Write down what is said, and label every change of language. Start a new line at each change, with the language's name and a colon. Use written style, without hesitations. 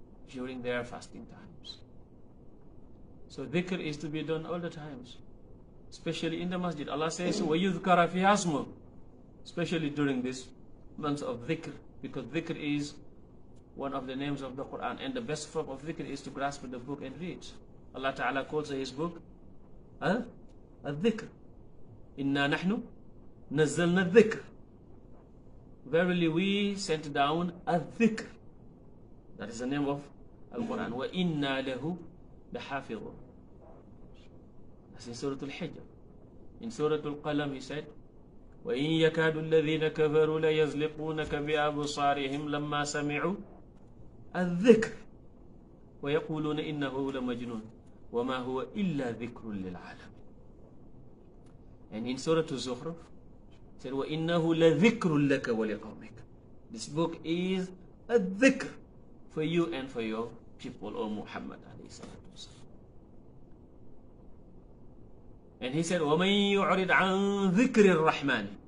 English: During their fasting times. So dhikr is to be done all the times, especially in the masjid. Allah says,
Arabic: وَيُذْكَرَ فِي أَسْمُ.
English: Especially during this month of dhikr, because dhikr is one of the names of the Quran, and the best form of dhikr is to grasp the book and read. Allah Ta'ala calls his book al-dhikr.
Arabic: Inna nahnu nazzalna dhikr.
English: Verily we sent down al-dhikr. That is the name of al-Quran.
Arabic: Wa inna lahu lahafidhun.
English: That's in Surah Al-Hijr. In Surah Al-Qalam he said,
Arabic: وَإِنْ يَكَادُ الَّذِينَ كَفَرُوا لَيَزْلِقُونَكَ بِأَبْصَارِهِمْ لَمَّا سَمِعُوا الذِّكْرِ وَيَقُولُونَ إِنَّهُ لَمَجْنُونَ وَمَا هُوَ إِلَّا ذِكْرٌ لِلْعَالَمِ.
English: And in Surah Al-Zukhruf, it said,
Arabic: وَإِنَّهُ لَذِكْرٌ لَكَ وَلِقَوْمِكَ.
English: This book is a dhikr for you and for your people, O Muhammad alayhi salatu wa sallam. And he said,
Arabic: وَمَنْ يُعْرِدْ عَنْ ذِكْرِ الرَّحْمَنِ.